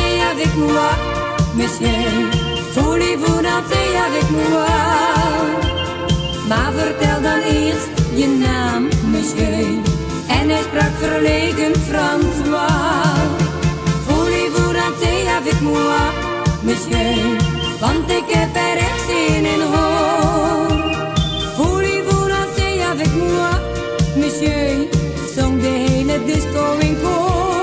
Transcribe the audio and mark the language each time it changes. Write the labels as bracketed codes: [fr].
[fr] Avec moi, monsieur, voulez-vous danser avec moi? [nl] Maar vertel dan eerst je naam, monsieur. En hij sprak verlegen François. [fr] Voulez-vous danser avec moi, monsieur? [nl] Want ik heb er echt zin in, hoor. [fr] Voulez-vous danser avec moi, monsieur? [nl] Zong de hele disco in koor.